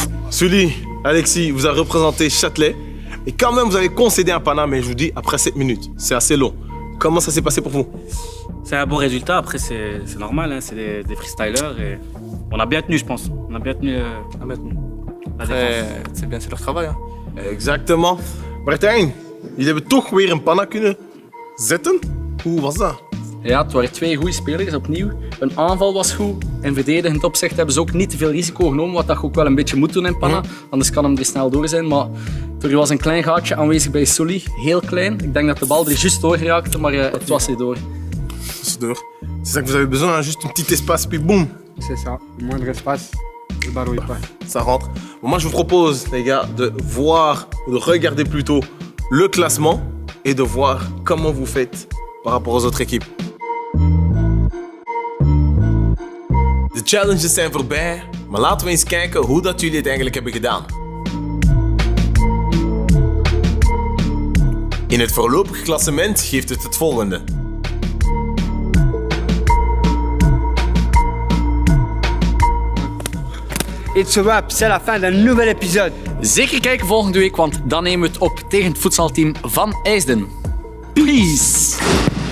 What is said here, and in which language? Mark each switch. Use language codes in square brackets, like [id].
[fr] Sully, Alexis, vous avez représenté Châtelet. Et quand même, vous avez concédé un panama, mais je vous dis, après 7 minutes, c'est assez long. Comment ça s'est passé pour vous? C'est un bon résultat, après c'est normal, hein. C'est des freestylers. Et on a bien tenu, je pense. On a bien tenu la défense. C'est bien, c'est leur travail. Hein. Exactement. [nl] Bretagne, [fr] il avait [nl] toch weer een panna kunnen zetten? Hoe was dat? Ja, het waren twee goede spelers opnieuw. Een aanval was goed. In verdedigend opzicht hebben ze ook niet te veel risico genomen, wat je ook wel een beetje moet doen in panna. Mm. Anders kan hem er snel door zijn. Maar er was een klein gaatje aanwezig bij Sully. Heel klein. Ik denk dat de bal er juist door geraakte, maar het was er door. Het was door. [fr] C'est ça que vous avez besoin, hein? Juste un petit espace, puis boum. C'est ça. Moindre espace, le ballon n'est pas. Ça rentre. Bon, moi, je vous propose, les gars, de voir, de regarder plutôt le classement et de voir comment vous faites par rapport aux autres équipes. [nl] De challenges zijn voorbij, maar laten we eens kijken hoe dat jullie het eigenlijk hebben gedaan. In het voorlopig klassement geeft het het volgende. [en] It's a wrap, [fr] c'est la fin d'un nouvel épisode. [nl] Zeker kijken volgende week, want dan nemen we het op tegen het voetbalteam van IJsden. Peace!